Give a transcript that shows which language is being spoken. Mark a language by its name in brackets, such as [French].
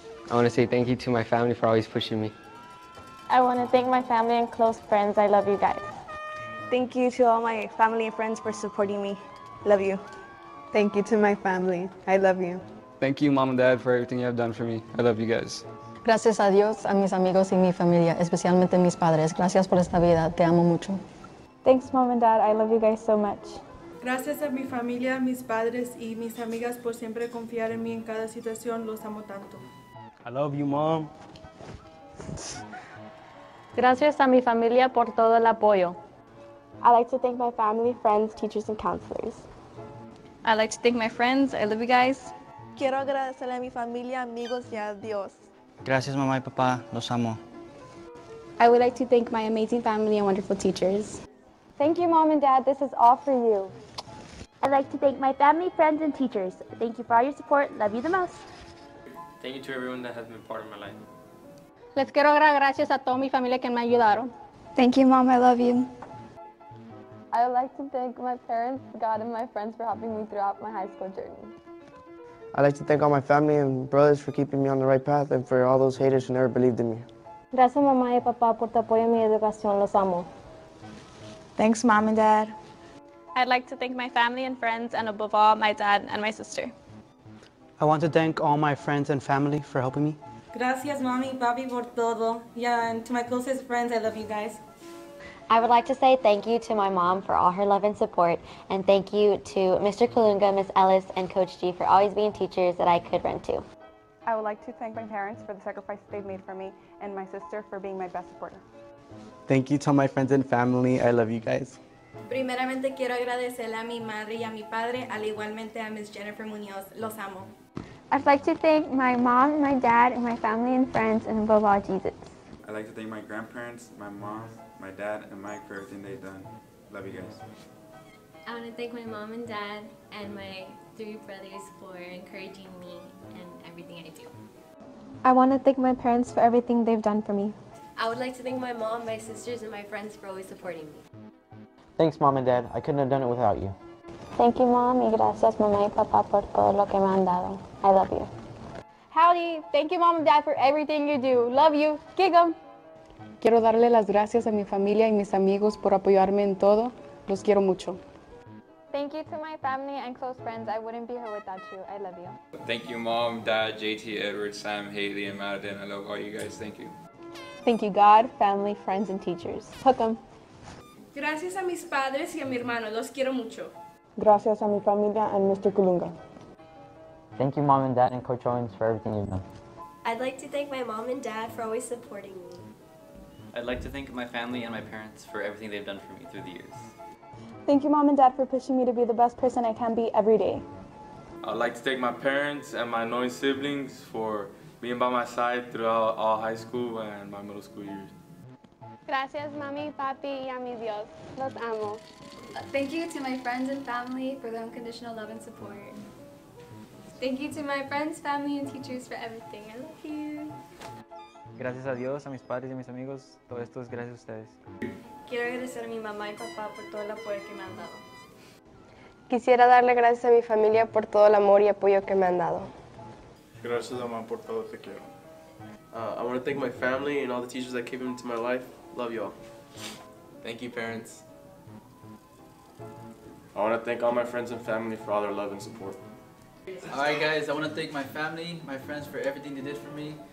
[English] I want to say thank you to my family for always pushing me. I want to thank my family and close friends. I love you guys. Thank you to all my family and friends for supporting me. Love you. Thank you to my family. I love you. Thank you, Mom and Dad, for everything you have done for me. I love you guys. [Spanish] Gracias a Dios, a mis amigos y mi familia, especialmente mis padres. Gracias por esta vida. Te amo mucho. [English] Thanks, Mom and Dad. I love you guys so much. [Spanish] Gracias a mi familia, mis padres y mis amigas por siempre confiar en mí en cada situación. Los amo tanto. [English] I love you, Mom. [Spanish] Gracias a mi familia por todo el apoyo. [English] I'd like to thank my family, friends, teachers, and counselors. I'd like to thank my friends. I love you guys. [Spanish] Quiero agradecerle a mi familia, amigos, y a Dios. Gracias, mamá y papá. Los amo. [English] I would like to thank my amazing family and wonderful teachers. Thank you, Mom and Dad. This is all for you. I'd like to thank my family, friends, and teachers. Thank you for all your support. Love you the most. Thank you to everyone that has been part of my life. [Spanish] Les quiero dar gracias a toda mi familia que me ayudaron. [English] Thank you, Mom. I love you. I would like to thank my parents, God, and my friends for helping me throughout my high school journey. I'd like to thank all my family and brothers for keeping me on the right path and for all those haters who never believed in me. [Spanish] Gracias, mamá y papá, por tu apoyo en mi educación. Los amo. [English] Thanks, Mom and Dad. I'd like to thank my family and friends, and above all, my dad and my sister. I want to thank all my friends and family for helping me. [Spanish] Gracias, mami, papi, por todo. [English] Yeah, and to my closest friends, I love you guys. I would like to say thank you to my mom for all her love and support, and thank you to Mr. Kalunga, Ms. Ellis, and Coach G for always being teachers that I could run to. I would like to thank my parents for the sacrifices they've made for me, and my sister for being my best supporter. Thank you to my friends and family. I love you guys. [Spanish] Primeramente quiero agradecerle a mi madre y a mi padre, al igualmente a Ms. Jennifer Munoz. Los amo. [English] I'd like to thank my mom, my dad, and my family and friends, and above all, Jesus. I'd like to thank my grandparents, my mom, my dad, and Mike for everything they've done. Love you guys. I want to thank my mom and dad and my three brothers for encouraging me and everything I do. I want to thank my parents for everything they've done for me. I would like to thank my mom, my sisters, and my friends for always supporting me. Thanks, Mom and Dad. I couldn't have done it without you. Thank you, Mom, [Spanish] y gracias, mamá y papá, por todo lo que me han dado. [English] I love you. Howdy. Thank you, Mom and Dad, for everything you do. Love you. Giggum. [Spanish] Quiero darle las gracias a mi familia y mis amigos por apoyarme en todo. Los quiero mucho. [English] Thank you to my family and close friends. I wouldn't be here without you. I love you. Thank you, Mom, Dad, JT, Edward, Sam, Haley, and Madden. I love all you guys. Thank you. Thank you, God, family, friends, and teachers. Hook 'em. [Spanish] Gracias a mis padres y a mi hermano. Los quiero mucho. Gracias a mi familia and Mr. Kulunga. [English] Thank you, Mom and Dad and Coach Owens, for everything you've done. I'd like to thank my mom and dad for always supporting me. I'd like to thank my family and my parents for everything they've done for me through the years. Thank you, Mom and Dad, for pushing me to be the best person I can be every day. I'd like to thank my parents and my annoying siblings for being by my side throughout all high school and my middle school years. [Spanish] Gracias, mami, papi, y a mi Dios. Los amo. [English] Thank you to my friends and family for their unconditional love and support. Thank you to my friends, family, and teachers for everything. I love you. [Spanish] Gracias a Dios, a mis padres y a mis amigos. Todo esto es gracias a ustedes. Quiero agradecer a mi mamá y papá por todo el apoyo que me han dado. Quisiera darle gracias a mi familia por todo el amor y apoyo que me han dado. Gracias, mamá, por todo. Te quiero. [English] I want to thank my family and all the teachers that came into my life. Love you all. Thank you, parents. I want to thank all my friends and family for all their love and support. Alright guys, I want to thank my family, my friends for everything they did for me.